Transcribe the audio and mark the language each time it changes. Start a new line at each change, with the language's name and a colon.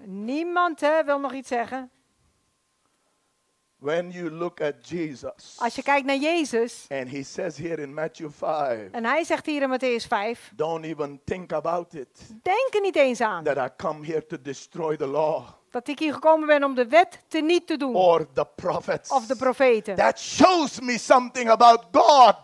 Dutch: Niemand wil nog iets zeggen.
English: When you look at Jesus.
Dutch: Als je kijkt naar Jezus.
English: And he says here in Matthew 5.
Dutch: En hij zegt hier in Matthäus 5.
English: Don't even think about it.
Dutch: Denk er niet eens aan.
English: That I come here to destroy the law.
Dutch: Dat ik hier gekomen ben om de wet teniet te doen.
English: Or the prophets.
Dutch: Of de profeten.
English: That shows me something about God.